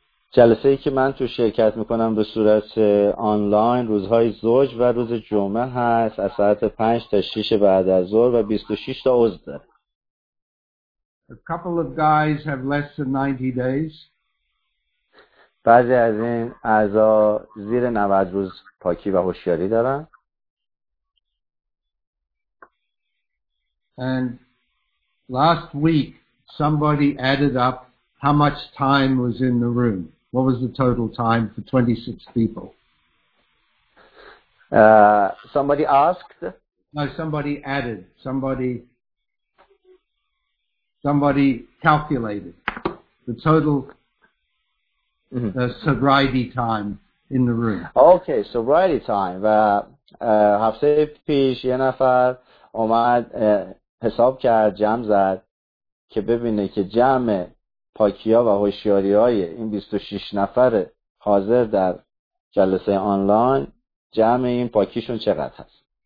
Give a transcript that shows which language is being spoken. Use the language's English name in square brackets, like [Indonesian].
[Persian] جلسه‌ای که من تو شرکت می‌کنم به صورت آنلاین روزهای زوج و روز جمعه هست از ساعت 5 تا 6 بعد از ظهر و 26 تا عضو داره. [English] A couple of guys have less than 90 days. [Persian] بعضی از این اعضا زیر 90 روز پاکی و هوشیاری دارن. [English] And last week somebody added up how much time was in the room. What was the total time for 26 people? Somebody asked? No, somebody added. Somebody calculated the total sobriety time in the room. Okay, sobriety time. [Persian] هفته پیش یه نفر اومد حساب کرد جمع زد که ببینه که جمع پاکی ها و هوشیاری های این 26 نفر حاضر در جلسه آنلاین جمع این پاکیشون چقدر هست.